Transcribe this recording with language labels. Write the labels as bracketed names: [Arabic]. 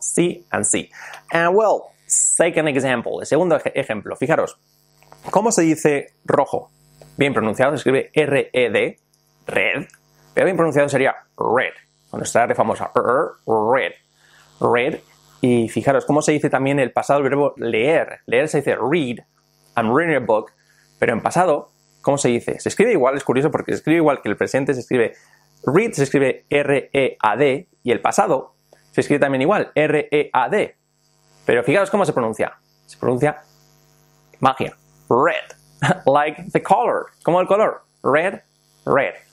[English] See and see. And well, second example. [Spanish] El segundo ejemplo. Fijaros. ¿Cómo se dice rojo? Bien pronunciado, se escribe R-E-D, red. Pero bien pronunciado sería red, con nuestra R famosa, red, red. Y fijaros, ¿cómo se dice también el pasado del verbo leer? Leer se dice [English] read, I'm reading a book. [Spanish] Pero en pasado, ¿cómo se dice? Se escribe igual, es curioso porque se escribe igual que el presente, se escribe read, se escribe R-E-A-D. Y el pasado se escribe también igual, R-E-A-D. Pero fijaros cómo se pronuncia. Se pronuncia magia, red. [English] Like the color. [Spanish] ¿Cómo el color? [English] Red, red.